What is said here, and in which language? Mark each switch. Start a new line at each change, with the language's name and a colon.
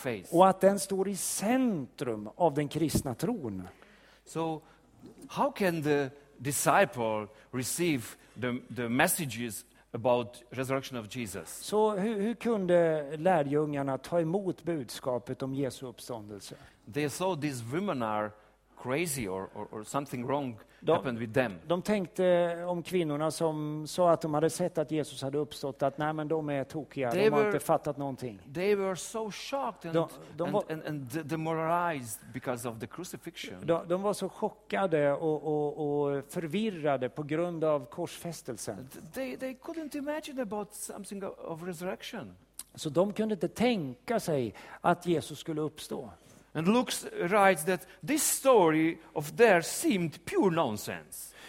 Swedish: och att den står i centrum av den kristna tron.
English: So how can the disciple receive the messages about resurrection of Jesus?
Swedish: Så hur kunde lärjungarna ta emot budskapet om Jesu uppståndelse?
English: They saw these women are crazy or something wrong. Happened with them.
Swedish: De tänkte om kvinnorna som sa att de hade sett att Jesus hade uppstått, att nej, men de är tokiga, de har inte fattat någonting.
English: They were so shocked and demoralized because of the crucifixion.
Swedish: De var så chockade och förvirrade på grund av korsfästelsen.
English: They couldn't imagine about something of resurrection.
Swedish: Så de kunde inte tänka sig att Jesus skulle uppstå.
English: And Luke writes that this story of theirs seemed pure nonsense.